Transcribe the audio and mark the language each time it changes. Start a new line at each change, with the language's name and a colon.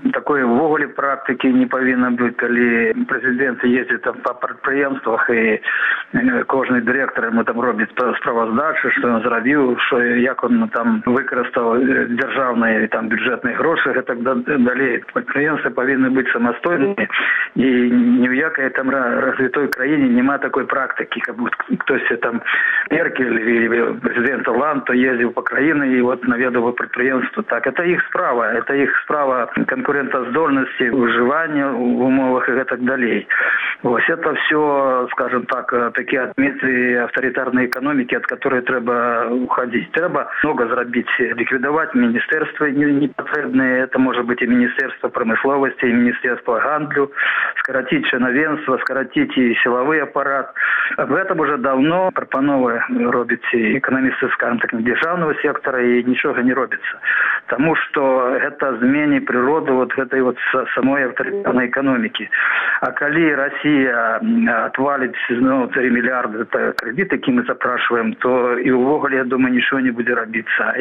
Belarusian: Такой увогуле практыкі не павінна быць, калі прэзідэнт ездзіць там па прадпрыемствах і кожны дырэктар яму там робіць справаздачы, што ён зрабіў, што як ён там выкарыстаў дзяржаўныя там бюджэтныя грошы, гэтак далей. Прадпрыемствы павінны быць самастойнымі, і ні ў якай там развітой краіне няма такой практыкі, каб хтось там меркі президент Орлан,
Russian: то ездил по краине и вот наведал предприемство. Так, это их справа. Это их справа конкурентоздольности, выживания в умовах и так далее. Вот это все, скажем так, такие отметы авторитарной экономики, от которой треба уходить. Треба много зарабить, ликвидовать министерства непотребные. Это может быть и министерство промышленности, и министерство гандлю. Скоротить чиновенство, скоротить и силовый аппарат. В этом уже давно
Belarusian: пропановы робіць эканамісты, скажам так, дзяржаўнага сектара, і нічога не робіцца. Таму што гэта змені прыроды вот гэтай вот самой авторитарнай эканомікі. А калі Расія адваліць, ну, 3 мільярды крэдыт, які мы запрашваем, то і ўвогуле, я думаю, нічого не будзе рабіцца.